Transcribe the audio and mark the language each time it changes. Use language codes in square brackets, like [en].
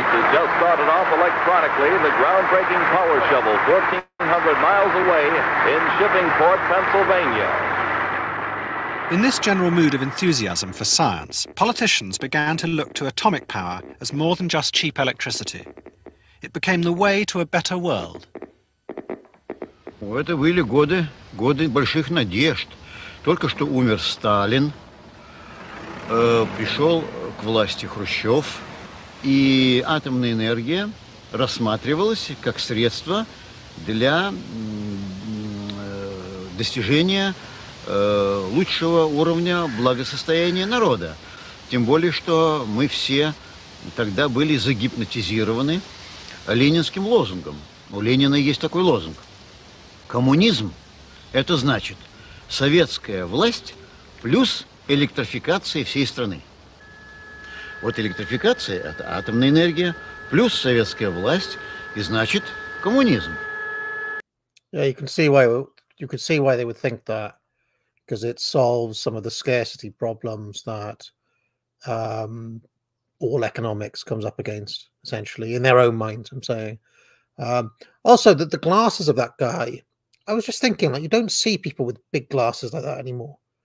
[en] Aces just started off electronically the groundbreaking power shovel 1,400 miles away in Shippingport, Pennsylvania. In this general mood of enthusiasm for science, politicians began to look to atomic power as more than just cheap electricity. It became the way to a better world. [ru] Это были годы, годы больших надежд. Только что умер Сталин, пришел к власти Хрущев, и атомная энергия рассматривалась как средство для достижения лучшего уровня благосостояния народа. Тем более, что мы все тогда были загипнотизированы ленинским лозунгом. У Ленина есть такой лозунг. Коммунизм – это значит советская власть плюс электрификация всей страны. Вот электрификация – это атомная энергия плюс советская власть, и значит коммунизм. [en] Yeah, you can see why they would think that, because it solves some of the scarcity problems that all economics comes up against, essentially, in their own minds, I'm saying. Also, that the glasses of that guy, I was just thinking, like, you don't see people with big glasses like that anymore.